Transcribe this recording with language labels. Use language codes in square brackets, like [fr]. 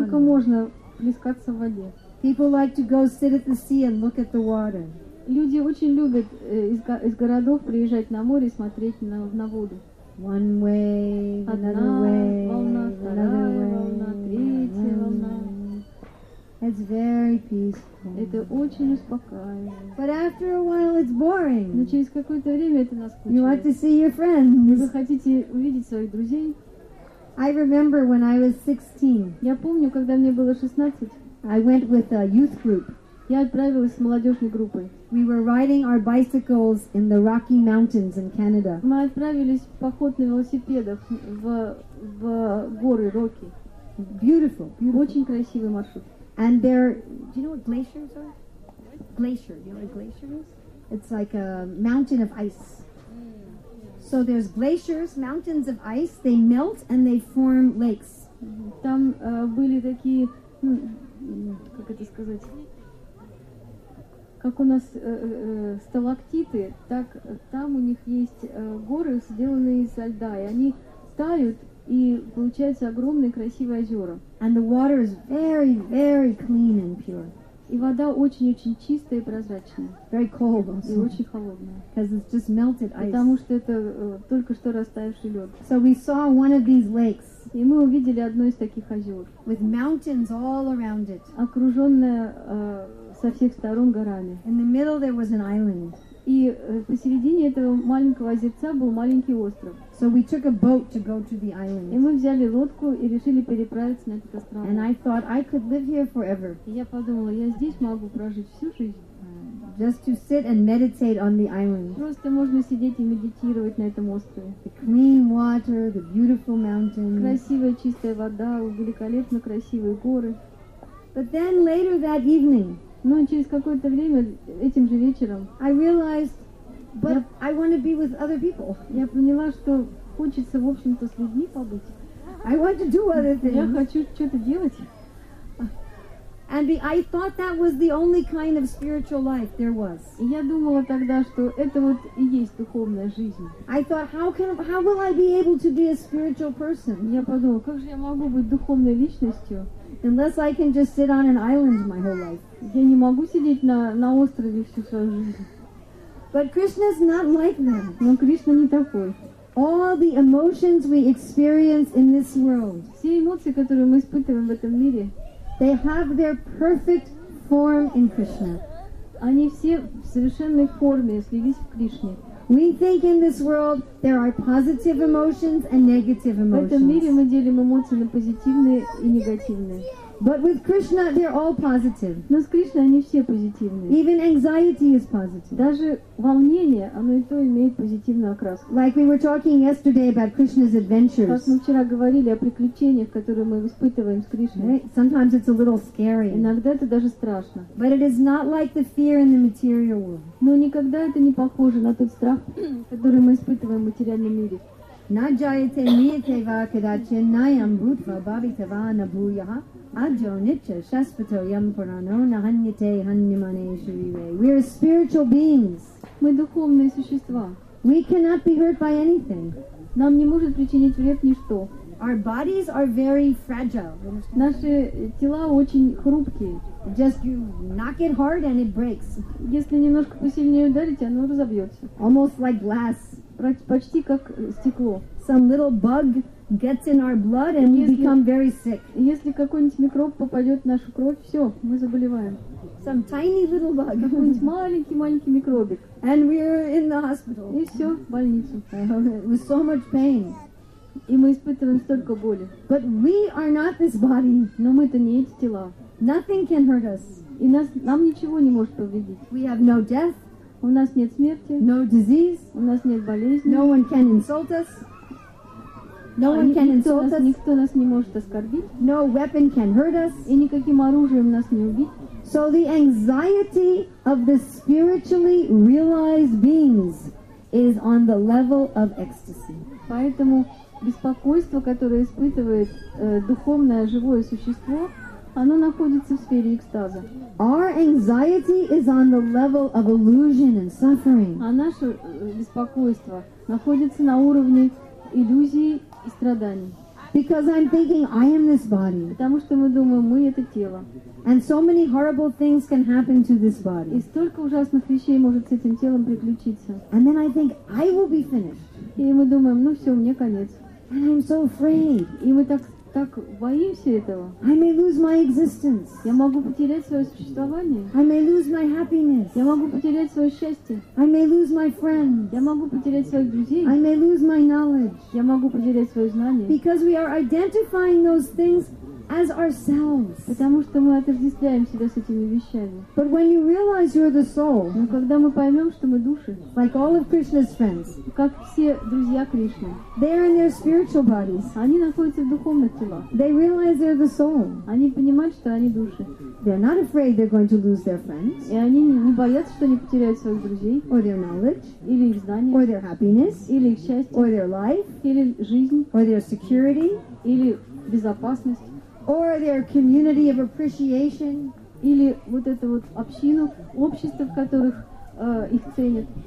[ru] Сколько можно плескаться в воде? [en] People like to go sit at the sea and look at the water. [ru] Люди очень любят из городов приезжать на море и смотреть на воду. [en] One wave, [ru] одна волна, вторая волна, третья волна. [en] It's very peaceful. [ru] Это очень успокаивает. [en] But after a while it's boring. [ru] Но через какое-то время это наскучает. [en] You want to see your friends. [ru] Вы хотите увидеть своих друзей? [en] I remember when I was 16. [ru] Я помню, когда мне было 16. [en] I went with a youth group. [ru] Я отправилась с молодежной группой. [en] We were riding our bicycles in the Rocky Mountains in Canada. [ru] Мы отправились в поход на велосипедах в горы Рокки. [en] Beautiful, beautiful. [ru] Очень красивый маршрут. [en] And there, do you know what glaciers are? Glacier. Do you know what a glacier is? It's like a mountain of ice. So there's glaciers, mountains of ice. They melt and they form lakes. [ru] Там были такие, как это сказать? Как у нас сталактиты, так там у них есть горы, сделанные из льда, и они тают, и получаются огромные красивые озера. [en] And the water is very, very clean and pure. [ru] И вода очень-очень чистая и прозрачная. [en] Very cold also. [ru] И очень холодная. [en] Because it's just melted ice. [ru] Потому что это только что растаявший лед. [en] So we saw one of these lakes. [ru] И мы увидели одно из таких озер. [en] With mountains all around it. [ru] Окруженное со всех сторон горами. [en] In the middle there was an island. [ru] И посередине этого маленького озерца был маленький остров. [en] So we took a boat to go to the island. [ru] И мы взяли лодку и решили переправиться на этот остров. [en] And I thought I could live here forever. [ru] И я подумала, я здесь могу прожить всю жизнь. [en] Just to sit and meditate on the island. [ru] Просто можно сидеть и медитировать на этом острове. [en] The clean water, the beautiful mountains. [ru] Красивая чистая вода, великолепно красивые горы. [en] But then later that evening. [ru] Но через какое-то время, этим же вечером, [en] I realized, but I want to be with other people. [ru] Я поняла, что хочется, в общем-то, с людьми побыть. [en] I want to do other things. [ru] Я хочу что-то делать. [en] And I thought that was the only kind of spiritual life there was. [ru] Я думала тогда, что это вот и есть духовная жизнь. [en] I thought, how will I be able to be a spiritual person? [ru] Я подумала, как же я могу быть духовной личностью? [en] Unless I can just sit on an island my whole life. [ru] Я не могу сидеть на острове всю свою жизнь. [en] But Krishna's not like that. [ru] Но Кришна не такой. [en] All the emotions we experience in this world. [ru] Все эмоции, которые мы испытываем в этом мире. [en] They have their perfect form in Krishna. [ru] Они все в совершенной форме, если видеть в Кришне. [en] We think in this world there are positive emotions and negative emotions. [ru] В этом мире мы делим эмоции на позитивные и негативные. [en] But with Krishna they're all positive. [ru] Но с Кришной они все позитивные. [en] Even anxiety is positive. [ru] Даже волнение, оно и то имеет позитивную окраску. [en] Like we were talking yesterday about Krishna's adventures. [ru] Как мы вчера говорили о приключениях, которые мы испытываем с Кришной. [en] Right? Sometimes it's a little scary. [ru] Иногда это даже страшно. [en] But it is not like the fear in the material world. [ru] Но никогда это не похоже на тот страх, который мы испытываем в материальном мире. [sa] На джаяте ниете вакадаче наям бутва бабитава набуяха. Ajo nitya shaspato yam purano nahanyate hanyamane shurive. [en] We are spiritual beings. [ru] Мы духовные существа. [en] We cannot be hurt by anything. [ru] Нам не может причинить вред ничто. [en] Our bodies are very fragile. [ru] Наши тела очень хрупкие. [en] Just you knock it hard and it breaks. [ru] Если немножко посильнее ударить, оно разобьется. [en] Almost like glass. [ru] Почти как стекло. [en] Some little bug gets in our blood and we become very sick. [ru] Если какой-нибудь микроб попадет в нашу кровь, все, мы заболеваем. [en] Some tiny little bug. [ru] Какой-нибудь маленький микробик. [en] And we're in the hospital. [ru] И все, в больнице. [en] With so much pain. [ru] И мы испытываем столько боли. [en] But we are not this body. [ru] Но мы-то не эти тела. [en] Nothing can hurt us. [ru] И нам ничего не может повредить. [en] We have no death. [ru] У нас нет смерти. [en] No disease. [ru] У нас нет болезни. [en] No one can insult us. No one can insult us. [ru] Никто нас не может оскорбить. [en] No weapon can hurt us. [ru] И никаким оружием нас не убить. [en] So the anxiety of the spiritually realized beings is on the level of ecstasy. [ru] Поэтому беспокойство, которое испытывает духовное живое существо, оно находится в сфере экстаза. [en] Our anxiety is on the level of illusion and suffering. [ru] А наше беспокойство находится на уровне иллюзии и страданий. [en] Because I'm thinking I am this body. [ru] Потому что мы думаем, мы это тело. [en] And so many horrible things can happen to this body. [ru] И столько ужасных вещей может с этим телом приключиться. [en] And then I think I will be finished. [ru] И мы думаем, ну все, мне конец. [en] And I'm so afraid. [ru] И мы так боимся этого. [en] I may lose my existence. [ru] Я могу потерять свое существование. [en] I may lose my happiness. [ru] Я могу потерять свое счастье. [en] I may lose my friends. [ru] Я могу потерять своих друзей. [en] I may lose my knowledge. [ru] Я могу потерять свое знание. [en] Because we are identifying those things as ourselves. [ru] Потому что мы отождествляем себя с этими вещами. [en] But when you realize you're the soul, [ru] но когда мы поймем, что мы души, [en] like all of Krishna's friends, [ru] как все друзья Кришны, [en] they are in their spiritual bodies. [ru] Они находятся в духовных телах. [en] They realize they're the soul. [ru] Они понимают, что они души. [en] They're not afraid they're going to lose their friends. [ru] И они не боятся, что они потеряют своих друзей. [en] Or their knowledge. [ru] Или их знания. [en] Or their happiness. [ru] Или их счастье. [en] Or their life. [ru] Или жизнь. [en] Or their security. [ru] Или безопасность. [en] Or their community of appreciation, [ru] или вот эту вот общину, общество, в которых их ценят.